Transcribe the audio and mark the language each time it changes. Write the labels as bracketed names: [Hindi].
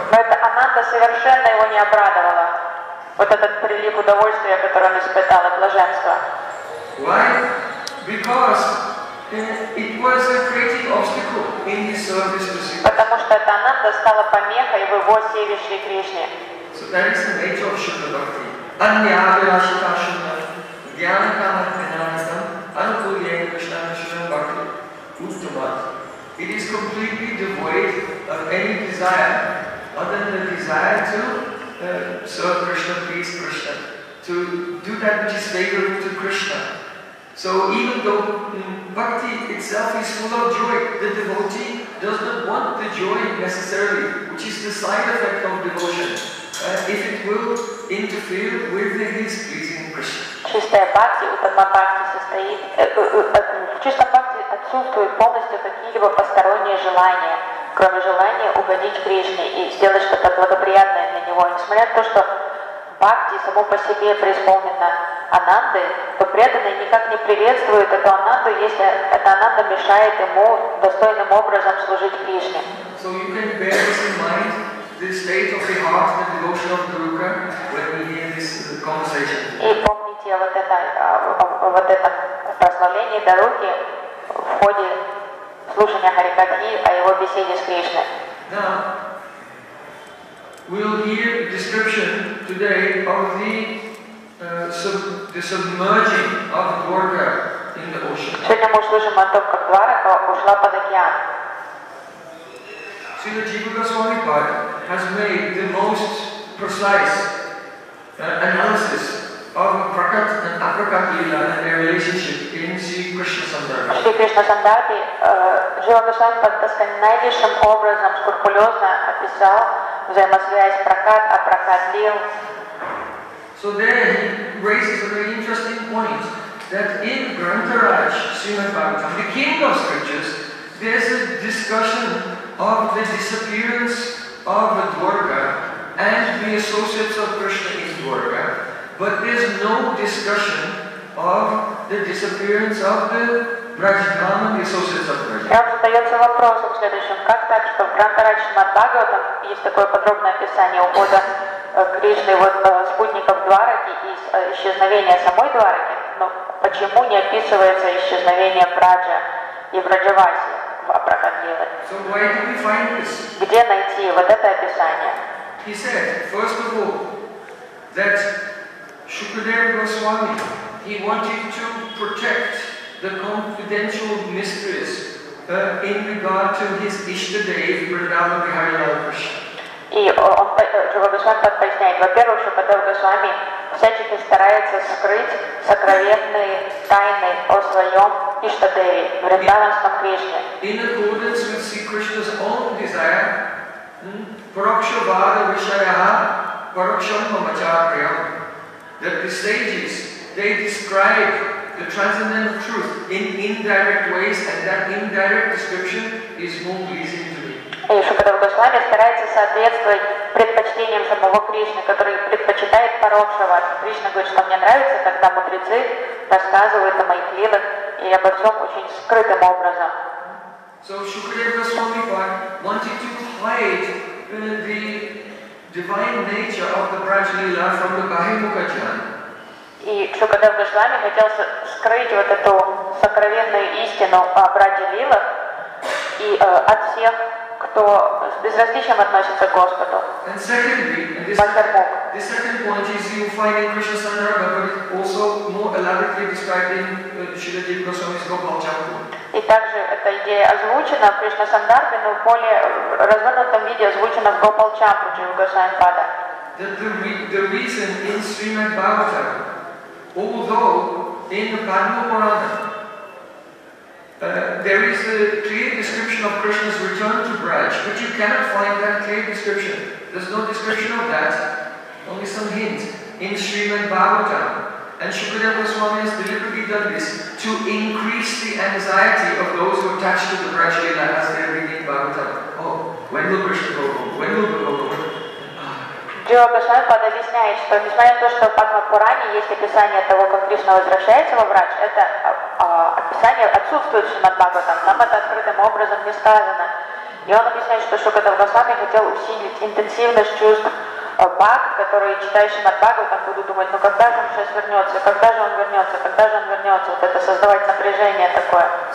[Russian] Но Ананда совершенно его не обрадовала. Вот этот прилив удовольствия, который он испытал, от блаженства. [English] Why? Because it was a great obstacle in his service to Sri. [Russian] Потому что это ананда стала помехой в его сервисе Шри Кришне. [English] So that is the nature of Shuddha Bhakti. [Sanskrit] Anyabhilashita Shuddha, Jnana Kamatmenanistam, Anukulyena Krishnana Shuddha Bhakti, Uttamat. [English] It is completely devoid of any desire other than the desire to serve Krishna, please Krishna, to do that which is favorable to Krishna. So even though bhakti itself is full of joy, the devotee does not want the joy necessarily, which is the side effect of devotion, if it will interfere with his pleasing Krishna. [Russian] Чистая бхакти, утама бхакти состоит, в чистом бхакти отсутствует полностью какие-либо посторонние желания, кроме желания угодить Кришне и сделать что-то благоприятное для Него. Несмотря на то, что бхакти само по себе преисполнена ананды, то преданный никак не приветствует эту ананду, если эта ананда мешает ему достойным образом служить Кришне. [English] So you can bear this in mind, the state of the heart, the devotion of Даруха, when we hear this conversation. [Russian] И помните вот это прославление Дарухи в ходе слушания Харикатхи о его беседе с Кришной. [English] Now, we'll hear a description today of the submerging of Dwarka in the ocean. [Russian] Сегодня мы услышим о том, как Дварака ушла под океан. [English] Srila Jiva Goswami Pad has made the most precise analysis of Prakat and Aprakat Lila and their relationship in Sri Krishna Sandarbha. [Russian] Шри Кришна Сандарбхи Джива Госвами Пад наилучшим образом скрупулезно описал взаимосвязь Пракат, Апракат Лил. [English] So there he raises a very interesting point that in Grantharaj Srimad Bhagavatam, the king of scriptures, there's a discussion of the disappearance of the Dwarka and the associates of Krishna in Dwarka. But there's no discussion of the disappearance of the Rajdhana, the associates of Rajdhana. [Russian] И вот остается вопрос в следующем. Как так, что в Гранта-Рачна Бхагава, там есть такое подробное описание ухода Кришны, вот спутников Двараки и исчезновения самой Двараки, но почему не описывается исчезновение Браджа и Браджаваси в Абрахамиле? [English] So where do we find this? [Russian] Где найти вот это описание? [English] He said, first of all, that Shukadeva Goswami, he wanted to protect the confidential mysteries in regard to his Ishtadev, Vrindavan Bihari Lal Krishna. [Russian] И он, Шрила Госвами так поясняет, во-первых, Шрила Госвами всячески старается скрыть сокровенные тайны о своем Иштадеве, Вриндаванском Кришне. [English] In accordance with Sri Krishna's own desire, [Sanskrit] Paroksha Vada Vishayaha Paroksha Mamacharya, [English] that the sages, they describe the transcendental truth in indirect ways, and that indirect description is more pleasing. [Russian] И Шукадева Госвами старается соответствовать предпочтениям самого Кришны, который предпочитает Парокшава. Кришна говорит, что мне нравится, когда мудрецы рассказывают о моих лилах и обо всем очень скрытым образом. [English] So Shukadeva Goswami wanted to hide the divine nature of the Brajlila from the Bahimukhajan. [Russian] И Шукадева Госвами хотел скрыть вот эту сокровенную истину о Брадж-лилах и от всех, кто с безразличием относится к Господу. [English] And secondly, and the second point is you find in Krishna Sandarbha, but it's also more elaborately described in Śrīla Dīva Gosvāmī's Gopāla-cārita. [Russian] И также эта идея озвучена в Кришна Сандарбе, но в более развернутом виде озвучена в Гопал-чампу Джива Госвами-пада. [English] The reason in Srimad Bhagavatam, although in the Padma Purana, there is a clear description of Krishna's return to Braj, but you cannot find that clear description. There's no description of that, only some hint in Srimad Bhagavatam. And Shukadeva Goswami has deliberately done this to increase the anxiety of those who attach to the Braj Lila as they read in Bhagavatam. Oh, when will Krishna go home? When will we go home? [Russian] Джива Госвами объясняет, что несмотря на то, что в Падма-Пуране есть описание того, как Кришна возвращается во Врач, это описание отсутствует в Шримад-Бхагаватам, там это открытым образом не сказано. И он объясняет, что Шукадева Госвами хотел усилить интенсивность чувств Бхаг, которые читают Шримад-Бхагаватам, будут думать, ну когда же он сейчас вернется, когда же он вернется, когда же он вернется, вот это создавать напряжение такое.